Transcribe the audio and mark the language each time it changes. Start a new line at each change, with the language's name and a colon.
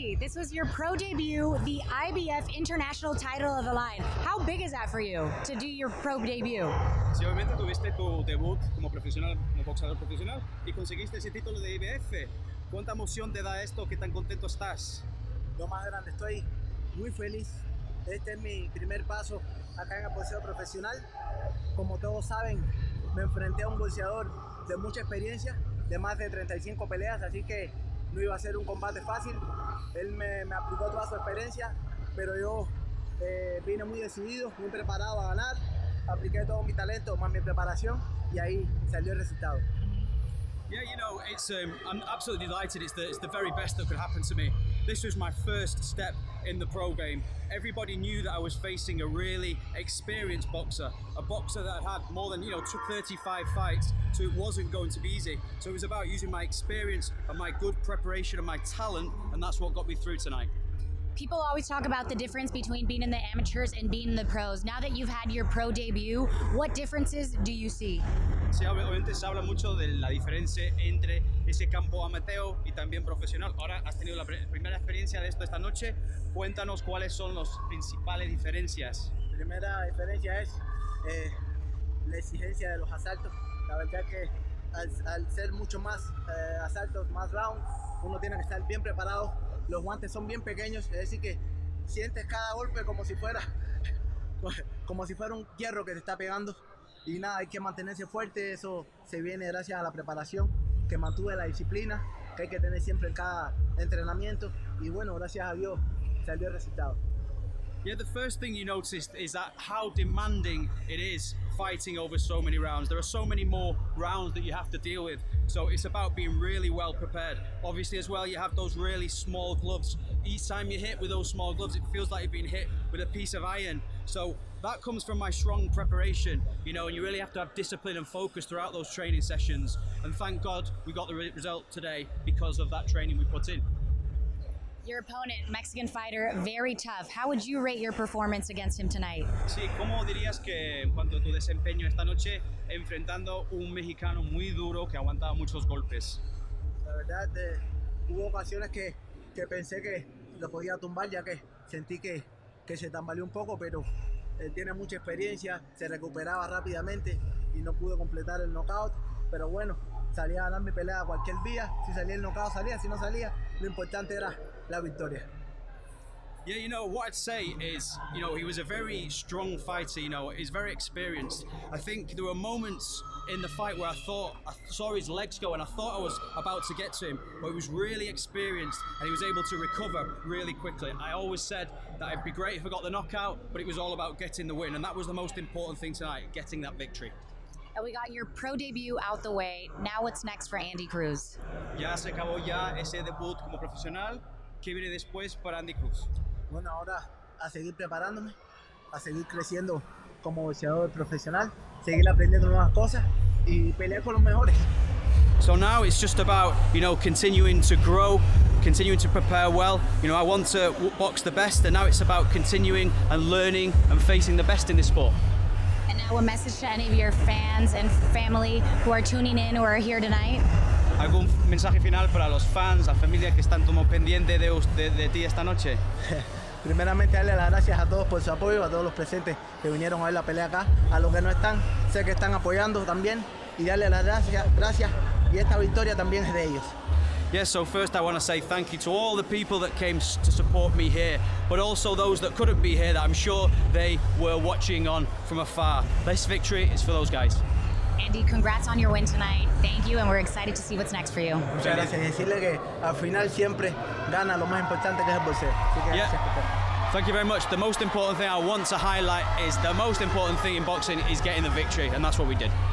English: this was your pro debut, the IBF International title of the line. How big is that for you to do your pro debut?
Spanish: Sí, obviamente tuviste tu debut como profesional, como boxeador profesional, y conseguiste ese título de IBF. ¿Cuánta emoción te da esto? ¿Qué tan contento estás? Lo más grande, estoy muy feliz. Este es mi primer paso acá en el boxeo profesional. Como todos saben, me enfrenté a un boxeador de mucha experiencia, de más de 35 peleas, así que no iba a ser un combate fácil. Él me aplicó toda su experiencia, pero yo vine muy decidido, muy preparado a ganar. Apliqué todo mi talento, más mi preparación, y ahí salió el resultado.
English: Yeah, you know, it's I'm absolutely delighted. It's the very best that could happen to me. This was my first step in the pro game. Everybody knew that I was facing a really experienced boxer, a boxer that had more than, you know, 35 fights, so it wasn't going to be easy. So it was about using my experience and my good preparation and my talent, and that's what got me through tonight. People always talk about the difference between being in the amateurs and being in the pros. Now that you've had your pro debut, what differences do you see?
Spanish: Sí, obviamente se habla mucho de la diferencia entre ese campo amateur y también profesional. Ahora has tenido la primera experiencia de esto esta noche. Cuéntanos cuáles son las principales diferencias. Primera diferencia es la exigencia de los asaltos. La verdad que al ser mucho más asaltos, más rounds, uno tiene que estar bien preparado. Los guantes son bien pequeños, es decir que sientes cada golpe como si fuera un hierro que te está pegando. Y nada, hay que mantenerse fuerte, eso se viene gracias a la preparación, que mantuve la disciplina, que hay que tener siempre en cada entrenamiento. Y bueno, gracias a Dios, salió el resultado.
English: Yeah, the first thing you noticed is that how demanding it is fighting over so many rounds. There are so many more rounds that you have to deal with. So it's about being really well prepared. Obviously as well, you have those really small gloves. Each time you hit with those small gloves, it feels like you've been hit with a piece of iron. So that comes from my strong preparation, you know, and you really have to have discipline and focus throughout those training sessions. And thank God we got the result today because of that training we put in. Your opponent, Mexican fighter, very tough. How would you rate your performance against him tonight?
Spanish: Sí, ¿cómo dirías que en cuanto a tu desempeño esta noche enfrentando un mexicano muy duro que aguantaba muchos golpes? La verdad, hubo ocasiones que pensé que lo podía tumbar, ya que sentí que se tambaleó un poco, pero él tiene mucha experiencia, se recuperaba rápidamente y no pude completar el knockout, pero bueno, salía a ganar mi pelea cualquier día. Si salía el knockout, salía. Si no salía, lo importante era la victoria.
English: Yeah, you know, what I'd say is, you know, he was a very strong fighter, you know, he's very experienced. I think there were moments in the fight where I saw his legs go and I thought I was about to get to him, but he was really experienced and he was able to recover really quickly. I always said that it'd be great if I got the knockout, but it was all about getting the win, and that was the most important thing tonight, getting that victory. And we got your pro debut out the way. Now what's next for Andy Cruz?
Spanish: Ya se acabó ya ese debut como profesional. ¿Qué viene después para Andy Cruz? Bueno, ahora a seguir preparándome, a seguir creciendo como boxeador profesional, seguir aprendiendo nuevas cosas y pelear con los mejores.
English: So now it's just about, you know, continuing to grow, continuing to prepare well. You know, I want to box the best, and now it's about continuing and learning and facing the best in this sport. And now a message to any of your fans and family who are tuning in or are here tonight.
Spanish: ¿Algún mensaje final para los fans, la familia que están como pendiente de ti esta noche? Primeramente, darle las gracias a todos por su apoyo, a todos los presentes que vinieron a ver la pelea acá. A los que no están, sé que están apoyando también. Y darle las gracias. Y esta victoria también es de ellos.
English: Yes, so first I want to say thank you to all the people that came to support me here, but also those that couldn't be here that I'm sure they were watching on from afar. This victory is for those guys. Andy, congrats on your win tonight. Thank you, and we're excited to see what's next for you.
Spanish: Muchas gracias. Decirle que al final siempre gana lo más importante, que es el boxeo.
English: Yeah. Thank you very much. The most important thing I want to highlight is the most important thing in boxing is getting the victory, and that's what we did.